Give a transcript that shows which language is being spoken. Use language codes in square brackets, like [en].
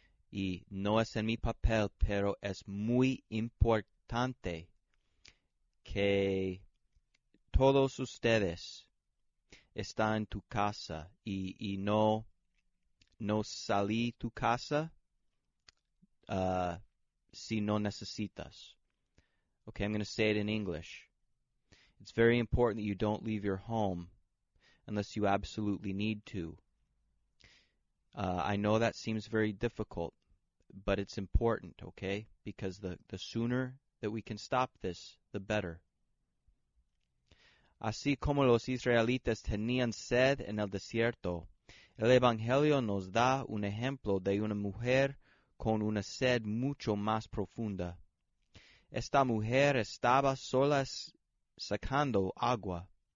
[es] Y no es en mi papel, pero es muy importante que todos ustedes están en tu casa y no salí tu casa si no necesitas. [en] Okay, I'm going to say it in English. It's very important that you don't leave your home unless you absolutely need to. I know that seems very difficult, but it's important, okay? Because the sooner that we can stop this, the better. [es] Así como los israelitas tenían sed en el desierto, el Evangelio nos da un ejemplo de una mujer con una sed mucho más profunda. Esta mujer estaba sola sacando agua.